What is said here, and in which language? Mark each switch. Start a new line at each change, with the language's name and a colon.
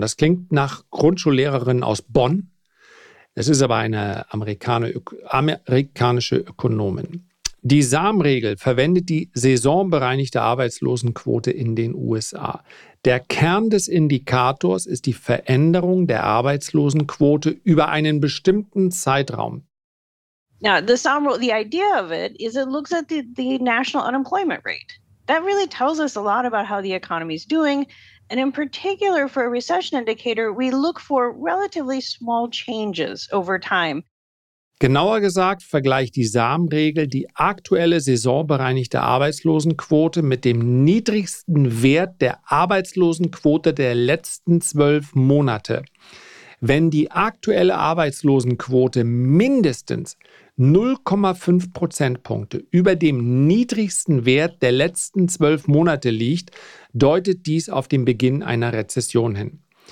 German: Das klingt nach Grundschullehrerin aus Bonn. Es ist aber eine amerikanische Ökonomin. Die SAM-Regel verwendet die saisonbereinigte Arbeitslosenquote in den USA. Der Kern des Indikators ist die Veränderung der Arbeitslosenquote über einen bestimmten Zeitraum.
English: Now, the SAM rule, the idea of it is it looks at the national unemployment rate. That really tells us a lot about how the economy is doing. And in particular, for a recession indicator, we look for relatively small changes over time.
German: Genauer gesagt, vergleicht die SAM-Regel die aktuelle saisonbereinigte Arbeitslosenquote mit dem niedrigsten Wert der Arbeitslosenquote der letzten 12 Monate. Wenn die aktuelle Arbeitslosenquote mindestens 0,5 Prozentpunkte über dem niedrigsten Wert der letzten 12 Monate liegt, deutet dies auf den Beginn einer Rezession hin.